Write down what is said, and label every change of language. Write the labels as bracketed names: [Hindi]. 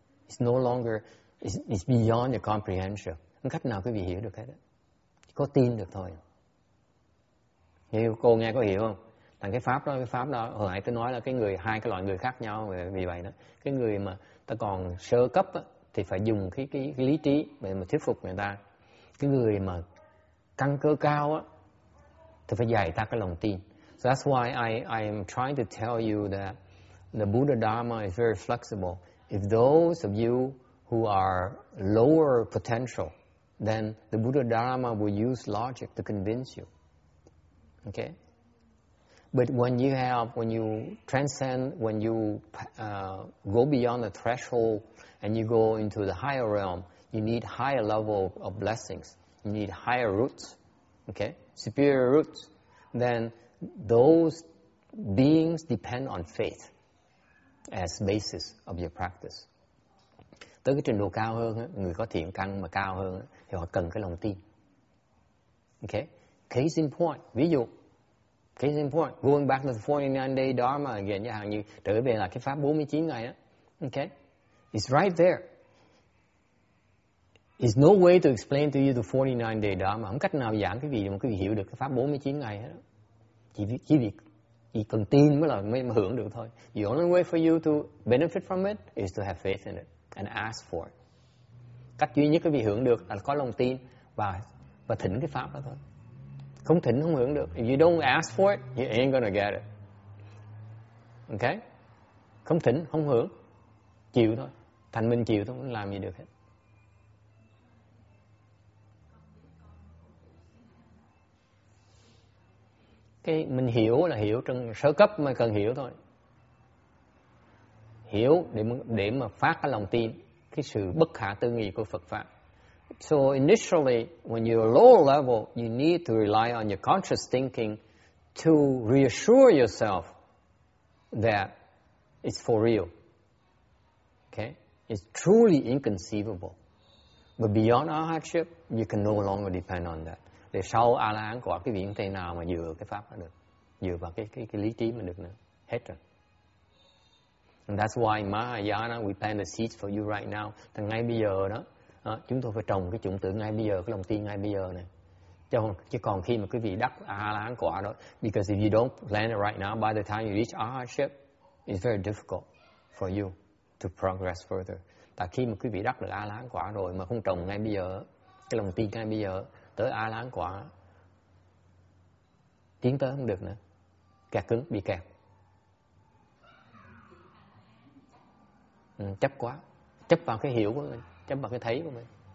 [English] It's no longer it's beyond your comprehension. [Vietnamese] Không cách nào quý vị hiểu được hết đó. Chỉ có tin được thôi. Nếu cô nghe có hiểu không? Thằng cái pháp đó hồi nãy tôi nói là cái người hai cái loại người khác nhau vì vậy đó. Cái người mà ta còn sơ cấp á thì phải dùng cái lý trí để mà thuyết phục người ta. Cái người mà căn cơ cao á thì phải dạy ta cái lòng tin. [English] So that's why I am trying to tell you that the Buddha Dharma is very flexible. If those of you who are lower potential, then the Buddha Dharma will use logic to convince you. Okay? But when you have, when you transcend, when you go beyond the threshold and you go into the higher realm, you need higher level of blessings. You need higher roots. Okay? Superior roots. Then those beings depend on faith as basis of your practice. [Vietnamese] Tới cái trình độ cao hơn, người có thiện căn mà cao hơn thì họ cần cái lòng tin. Okay? [English] Case in point, [Vietnamese] ví dụ, [English] case in point, going back to the 49 day Dharma again, [Vietnamese] như hàng như trở về là cái pháp 49 ngày đó. [English] Okay? It's right there. There's no way to explain to you the 49 day Dharma. [Vietnamese] Không cách nào giảng cái gì mà quý vị hiểu được cái pháp 49 ngày hết. Chỉ cần tin mới hưởng được thôi. [English] The only way for you to benefit from it is to have faith in it and ask for it. [Vietnamese] Cách duy nhất quý vị hưởng được là có lòng tin và thỉnh cái pháp đó thôi. Không thỉnh không hưởng được. [English] If you don't ask for it, you ain't gonna get it. Okay? [Vietnamese] Không thỉnh, không hưởng. Chịu thôi. Thành mình chịu thôi, không làm gì được hết. Cái mình hiểu là hiểu trong sơ cấp mà cần hiểu thôi. Hiểu để mà phát cái lòng tin, cái sự bất khả tư nghị của Phật Pháp. [English] So initially, when you're lower level, you need to rely on your conscious thinking to reassure yourself that it's for real. Okay? It's truly inconceivable. But beyond our hardship, you can no longer depend on that. [Vietnamese] Để sau A-la-hán của cái viễn thế nào mà dựa cái pháp đó được, dựa vào cái lý trí mà được nữa, hết rồi. [English] And that's why Mahayana, we plant the seeds for you right now. [Vietnamese] Thì ngay bây giờ đó, chúng tôi phải trồng cái chủng tử ngay bây giờ, cái lòng tin ngay bây giờ này. Chứ còn khi mà quý vị đắc A-la-hán quả đó, [English] because if you don't plant it right now, by the time you reach A-la-hán, it's very difficult for you to progress further. [Vietnamese] Tại khi mà quý vị đắc được A-la-hán quả rồi mà không trồng ngay bây giờ, cái lòng tin ngay bây giờ, tới A lán quả tiến tới không được nữa, kẹt cứng, bị kẹt, chấp quá, chấp vào cái hiểu của mình, chấp vào cái thấy của mình.